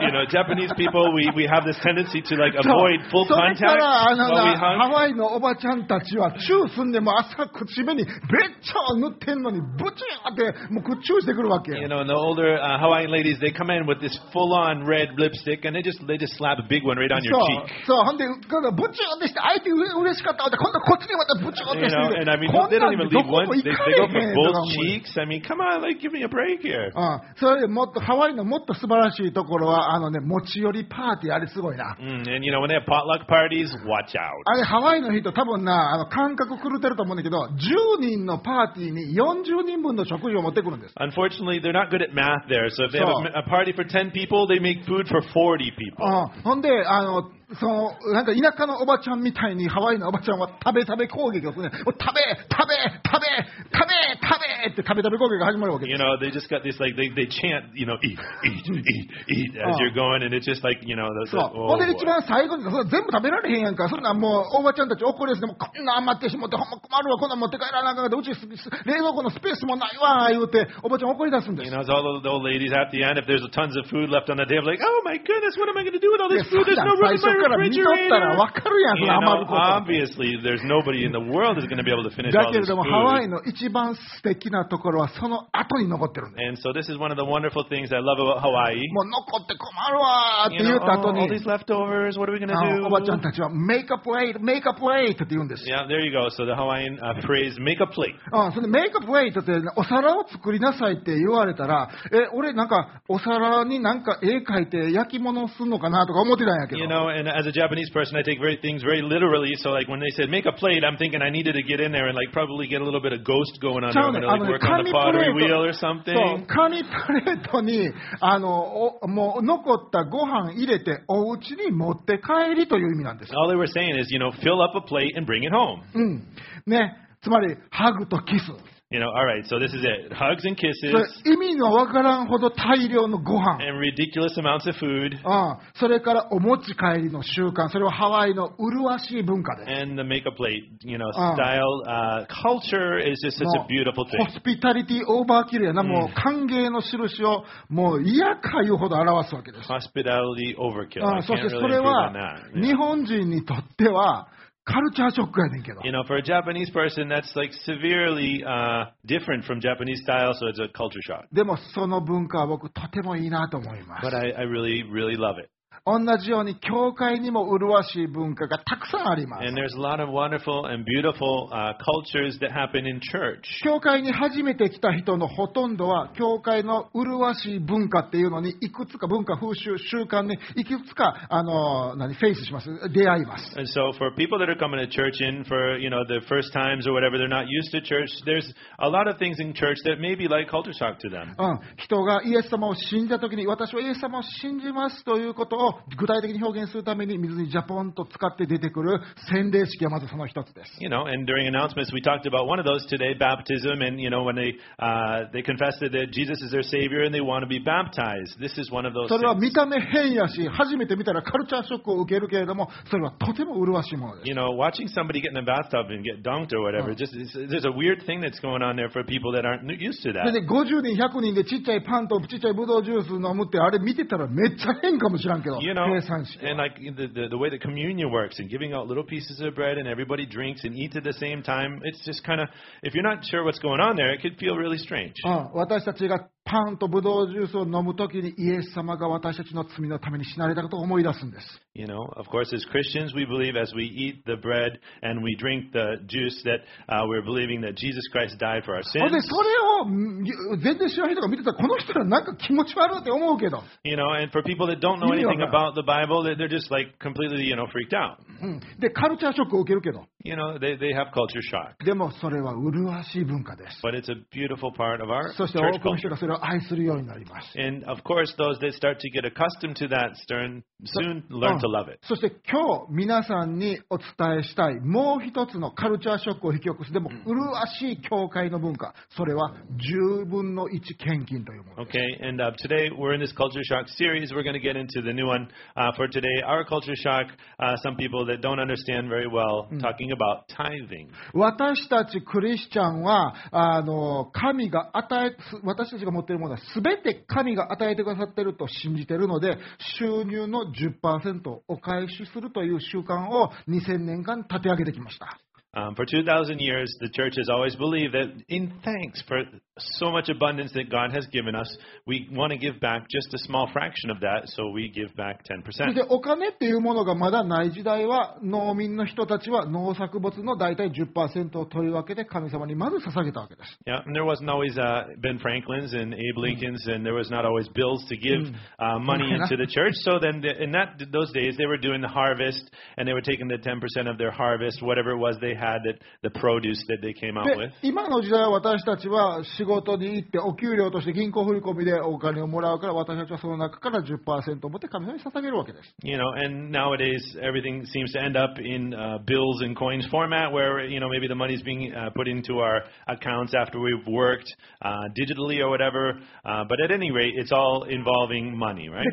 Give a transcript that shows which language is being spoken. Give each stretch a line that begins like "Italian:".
English: Japanese people, we have this tendency to like avoid full contact while we hug.
Japanese: Hawaii のおばちゃんたちはチュー住んでも朝口目にべっちょ塗ってんのにぶちんってもうチューしてくるわけ。
English: You know, and the older Hawaiian ladies, they come in with this full-on red lipstick, and they just slap a big one.
Japanese: そう、ほんで、ぶちゅーんでして、相手うれしかったって、今度こっちにまたぶちゅーんでして、こんなんどこも行かれへんとか思う。
English: I mean, come on, like, give me a break here.
Japanese: それでもっと、ハワイのもっと素晴らしいところは、あのね、持ち寄りパーティー、あれすごいな。
English: And you know, when they have potluck parties, watch out.
Japanese: あれ、ハワイの人、多分な、あの感覚狂ってると思うんだけど、10人のパーティーに40人分の食事を持ってくるんです。
English: Unfortunately, they're not good at math there, so if they have a party for 10 people, they make food for 40 people.
Japanese: ほんで、そのなんか田舎のおばちゃんみたいにハワイのおばちゃんは食べ食べ攻撃をするね。食べ食べ食べ食べ食べって食べ食べ攻撃が始まるわけです。
English: You know, they just got this like they chant, you know, eat, eat, eat, eat as you're going, and it's just like, you know, that's all.
Japanese: ほんで一番最後にそれ全部食べられへんやんか。そんなもうおばちゃんたち怒りやすい。もうこんな余ってしもってほんま困るわ。こんな持って帰らなあかんかで、うち冷蔵庫のスペースもないわ言うておばちゃん怒り出すんです。
English: You know, so all the old ladies at the end, if there's tons of food left on the table, like, oh my goodness, what am I going to do with all this food? There's no room in my room.
Japanese: 見とったら分かるやん、その余ること。
English: Obviously, there's nobody in the world is going to be able to finish all this food.
Japanese: だけれども、ハワイの一番素敵ななところはその後に登ってるんです
English: 。And so this is one of the wonderful things I love about Hawaii.
Japanese: もう残って困るわって言った後に、
English: all these leftovers, what are we gonna do?
Japanese: おばちゃんたちは
English: make a plate, make a plate
Japanese: って言うんです。
English: Yeah, there you go. So the Hawaiian phrase, make a plate.
Japanese: そんで
English: make a plate
Japanese: ってお皿を作りなさいって言われたら、俺なんかお皿になんか絵描いて焼き物をするのかなとか思ってたんやけど。
English: You know, and as a Japanese person, I take very things very literally. So like when they said make a plate, I'm thinking I needed to get in there and like probably get a little bit of ghost going on. I'm gonna like work on the pottery wheel or something.
Japanese: 紙プレートにもう残ったご飯入れてお家に持って帰りという意味なんです。
English: All they were saying is, you know, fill up a plate and bring it home.
Japanese: ね、つまりハグとキス。
English: You know, all right, so this is it. Hugs and kisses.
Japanese: 意味のわからんほど大量のご飯。
English: And ridiculous amounts of food.
Japanese: それからお持ち帰りの習慣。それはハワイの麗しい文化です。
English: And the make a plate, you know, style, culture is just such a beautiful thing.
Japanese: ホスピタリティオーバーキルやな。もう歓迎の印をもう嫌かいうほど表すわけです。
English: Hospitality overkill.
Japanese: そしてそれは日本人にとってはカルチャーショックやねんけど。
English: You know, for a Japanese person, that's like severely different from Japanese style, so it's a culture shock.
Japanese: でもその文化は僕とてもいいなと思います。
English: But I really, really love it.
Japanese: 同じように教会にも麗しい文化がたくさんあります。
English: And there's a lot of wonderful and beautiful cultures that happen in church.
Japanese: 教会に初めて来た人のほとんどは教会の麗しい文化っていうのにいくつか文化風習習慣にいくつかフェイスします、出会います。
English: And so for people that are coming to church in for you know the first times or whatever, they're not used to church. There's a lot of things in church that may be like culture shock to them.
Japanese: 人がイエス様を信じた時に私はイエス様を信じますということを具体的に表現するために水にジャポンと使って出てくる洗礼式はまずその一つです。
English: You know, and during announcements we talked about one of those today, baptism, and you know when they confessed that Jesus is their Savior and they want to be baptized. This is one of those.
Japanese: それは見た目変やし、初めて見たらカルチャーショックを受けるけれども、それはとても麗しいものです。
English: You know, watching somebody get in a bathtub and get dunked or whatever, just there's a weird thing that's going on there for people that aren't used to that.
Japanese: で、50人100人でちっちゃいパンとちっちゃいブドウジュース飲むってあれ見てたらめっちゃ変かもしらんけど。
English: You know, and like the way the communion works and giving out little pieces of bread and everybody drinks and eats at the same time, it's just kind of, if you're not sure what's going on there, it could feel really strange.
Japanese: 私たちがパンとブドウジュースを飲むときにイエス様が私たちの罪のために死なれたことを思い出すんです。
English: You know, of course, as Christians, we believe as we eat the bread and we drink the juice that we're believing that Jesus Christ died for our sins.
Japanese: でそれを全然知らない人が見てたらこの人はなんか気持ち悪いって思うけど。
English: You know, and for people that don't know anything about the Bible, they're just like completely, you know, freaked out.
Japanese: でカルチャーショックを受けるけど。
English: You know, they have culture shock.
Japanese: でもそれは麗しい文化です。
English: But it's a beautiful part of our church
Japanese: そして多くの人がそれを愛するようになります。
English: And of course, those that start to get accustomed to that stern soon learn to love it.
Japanese: そして今日皆さんにお伝えしたいもう一つのカルチャーショックを引き起こす、でも麗しい教会の文化、それは10分の1献金というものです。
English: Okay, and today we're in this culture shock series. We're going to get into the new one for today. Our culture shock, some people that don't understand very well talking about tithing.
Japanese: 私たちクリスチャンは神が与え、私たちが持っているものは全て神が与えてくださっていると信じているので、収入の 10% をお返しするという習慣を2000年間立て上げてきました。
English: For 2000 years, the church has always believed that in thanks for so much abundance that God has given us, we want to give back just a small fraction of that, so we give back 10%.
Japanese: で、お金っていうものがまだない時代は、農民の人たちは農作物の大体 10% を取り分けて神様にまず捧げたわけです。
English: Yeah, and there wasn't always Ben Franklin's and Abe Lincoln's, and there was not always bills to give money into the church. So then, those days, they were doing the harvest, and they were taking the 10% of their harvest, whatever it was. They had the produce that they came out with.
Japanese: 今の時代は私たちは仕事に行ってお給料として銀行振り込みでお金をもらうから、私たちはその中から 10% を持って神様に捧げるわけです。
English: You know, and nowadays everything seems to end up in bills and coins format, where you know maybe the money is being put into our accounts after we've worked digitally or whatever. But at any rate, it's all involving money, right?